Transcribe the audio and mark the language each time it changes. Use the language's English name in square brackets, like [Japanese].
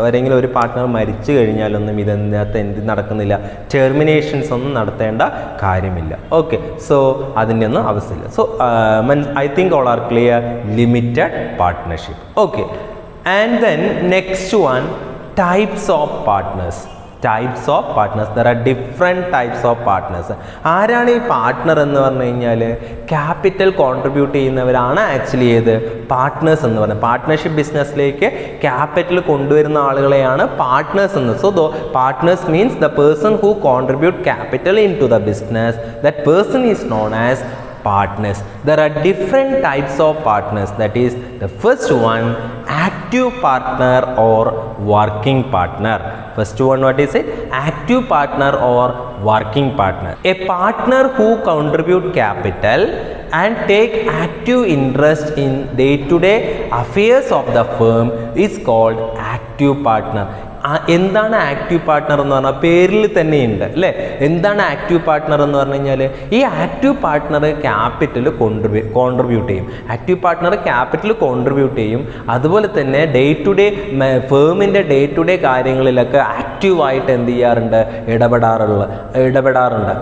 [Malayalam] ആരെങ്കിലും ഒരു പാർട്ട്ണർ മരിച്ചു കഴിഞ്ഞാലൊന്നും ഇതിനകത്ത് എന്ത് നടക്കുന്നില്ല, ടെർമിനേഷൻസ് ഒന്നും നടത്തേണ്ട കാര്യമില്ല. [English] okay, so [Malayalam] അതിൻ്റെ ഒന്നും അവസ്ഥയില്ല. [English] So I think all are clear, limited partnership. Okay, and then next one, types of partners. Types of partners, there are different types of partners. [Malayalam] ആരാണ് ഈ പാർട്ട്ണർ എന്ന് പറഞ്ഞു കഴിഞ്ഞാൽ, ക്യാപിറ്റൽ കോൺട്രിബ്യൂട്ട് ചെയ്യുന്നവരാണ് ആക്ച്വലി ഏത്? Partners എന്ന് പറഞ്ഞാൽ പാർട്ട്നർഷിപ്പ് ബിസിനസ്സിലേക്ക് ക്യാപിറ്റൽ കൊണ്ടുവരുന്ന ആളുകളെയാണ് പാർട്ട്നേഴ്സ് എന്ന്. [English] So those partners means the person who contribute capital into the business, that person is known as partners. There are different types of partners. That is, the first one, active partner or working partner. First one, what is it? Active partner or working partner. A partner who contribute capital and take active interest in day-to-day affairs of the firm is called active partner. [Malayalam] എന്താണ് active partner എന്ന് പറഞ്ഞാൽ, പേരിൽ തന്നെയുണ്ട് അല്ലേ. എന്താണ് active partner എന്ന് പറഞ്ഞു കഴിഞ്ഞാൽ, ഈ ആക്റ്റീവ് പാർട്ട്ണർ ക്യാപിറ്റൽ കോൺട്രിബ്യൂട്ട് ചെയ്യും. ആക്റ്റീവ് പാർട്ട്ണർ ക്യാപിറ്റൽ കോൺട്രിബ്യൂട്ട് ചെയ്യും, അതുപോലെ തന്നെ day to day ഫേമിൻ്റെ day to day കാര്യങ്ങളിലൊക്കെ ആക്റ്റീവായിട്ട് എന്ത് ചെയ്യാറുണ്ട്, ഇടപെടാറുണ്ട്.